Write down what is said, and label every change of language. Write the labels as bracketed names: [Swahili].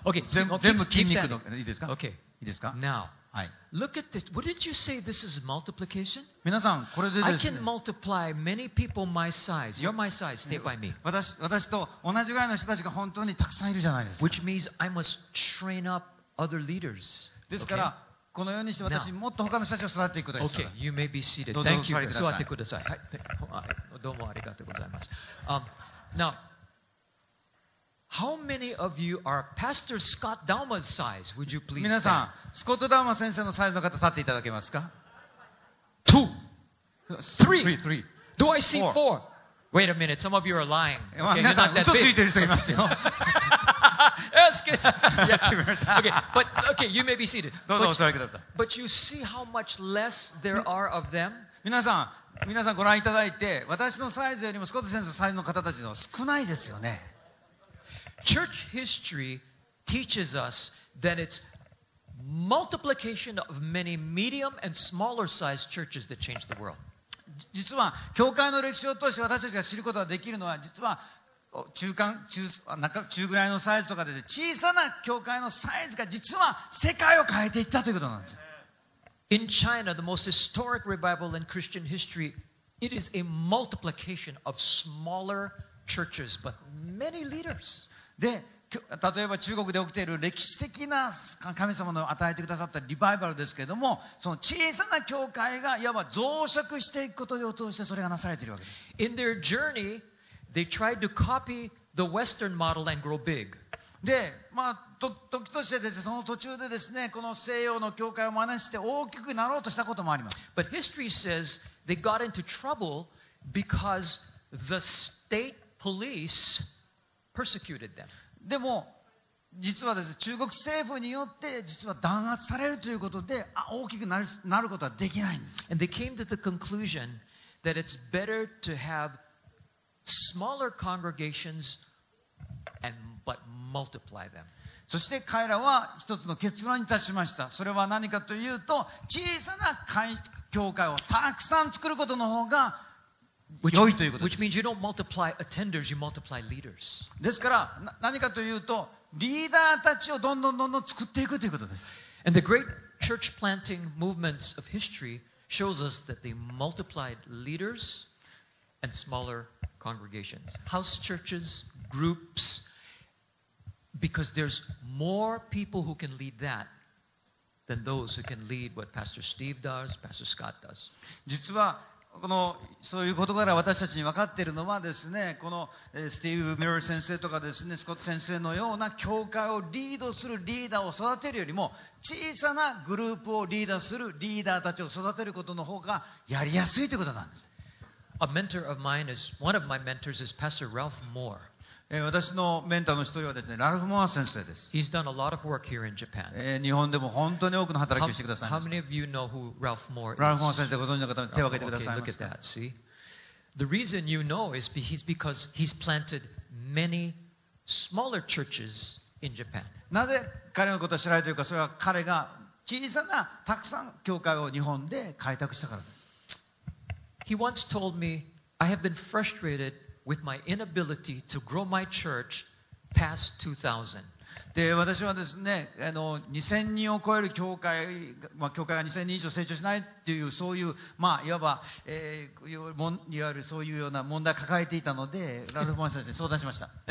[Japanese] あ、okay, 全部筋肉の、いいですか？ [English] Okay. [Japanese] いいですか？ [English] Now. [Japanese] はい、 [English] Look at this. Wouldn't you say this is multiplication? [Japanese] 皆さんこれでですね。 [English] I can multiply many people my size. You're my size. Stay by me. [Japanese] 私と同じぐらいの人たちが本当にたくさんいるじゃないですか。 [English] Which means I must train up other leaders. [Japanese] ですから、okay? このようにして私もっと他の人たちを育てていくことです。 [English] Okay, you may be seated. Thank you. [Japanese] 座ってください。はい。どうもありがとうございます。 [English] Now. How many of you are Pastor Scott Dalma's size? Would you please? [Japanese] 皆さん、スコット・ダーマ先生のサイズの方立っていただけますか？ [English] Two, three, Do I see four? Wait a minute. Some of you are lying. [Japanese] Okay, 皆さん、嘘ついてる人いますよ。 [English] okay, but okay, you may be seated. [Japanese] どうぞお座りください。 [English] But you see how much less there are of them? [Japanese] 皆さんご覧いただいて、私のサイズよりもスコット先生のサイズの方たちの少ないですよね。 [English] Church history teaches us that it's multiplication of many medium and smaller sized churches that changed the world. [Japanese] 実は教会の歴史を通して私たちが知ることができるのは実は中ぐらいのサイズとかで小さな教会のサイズが実は世界を変えていったということなんです。 [English] In China, the most historic revival in Christian history, it is a multiplication of smaller churches but many leaders. [Japanese] で例えば中国で起きている歴史的な神様の与えてくださったリバイバルですけれどもその小さな教会がいわば増殖していくことを通してそれがなされているわけです [English] In their journey, they tried to copy the Western model and grow big. [Japanese] で、まあ、時としてですね、その途中でですね、この西洋の教会を真似して大きくなろうとしたこともあります [English] But history says they got into trouble because the state policepersecuted them. [Japanese] でも実はですね、中国政府によって実は弾圧されるということで大きくなることはできないんです。 [English] And they came to the conclusion that it's better to have smaller congregations and but multiply them. [Japanese] そして彼らは一つの結論に達しました。それは何かというと、小さな教会をたくさん作ることの方が [English] Which means you don't multiply attenders, you multiply leaders. [Japanese] ですから、何かというと、リーダーたちをどんどんどんどん作っていくということです。 [English] And the great church planting movements of history shows us that they multiplied leaders and smaller congregations, house churches, groups, because there's more people who can lead that. than those who can lead what Pastor Steve does, Pastor Scott does. [Japanese] 実はこのそういうことから私たちに分かっているのはですね、このスティーブ・ミラー先生とかですね、スコット先生のような教会をリードするリーダーを育てるよりも、小さなグループをリードするリーダーたちを育てることの方がやりやすいということなんです。 [English] A mentor of mine is one of my mentors is Pastor Ralph Moore. [Japanese] 私のメンターの一人はですね、ラルフ・モア先生です。 [English] He's done a lot of work here in Japan. [Japanese] 日本でも本当に多くの働きをしてくださいました。 [English] How many of you know who Ralph Moore is? [Japanese] ラルフ・モア先生ご存知の方、手を挙げてくださいました。 [English] Okay, look at that. See? The reason you know is because he's planted many smaller churches in Japan. [Japanese] なぜ彼のことを知られているか、それは彼が小さなたくさん教会を日本で開拓したからです。 [English] He once told me, I have been frustrated. With my inability to grow my church past 2,000. [Japanese] で、私はですね、2,000 人を超える教会、まあ、教会が2,000人以上成長しないっていうそういうまあいわば、いわゆるそういうような問題を抱えていたので、ラルフ・モア先生に相談しました。